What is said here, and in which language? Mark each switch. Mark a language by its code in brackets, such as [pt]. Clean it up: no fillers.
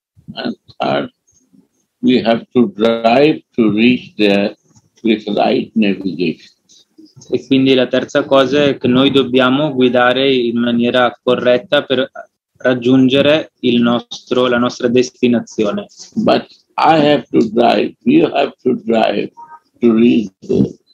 [en] And third, we have to drive to reach there with right navigation. [it] E quindi la terza cosa è che noi dobbiamo guidare in maniera corretta per raggiungere il nostro, la nostra destinazione. [en] But I have to drive, you have to drive to reach there.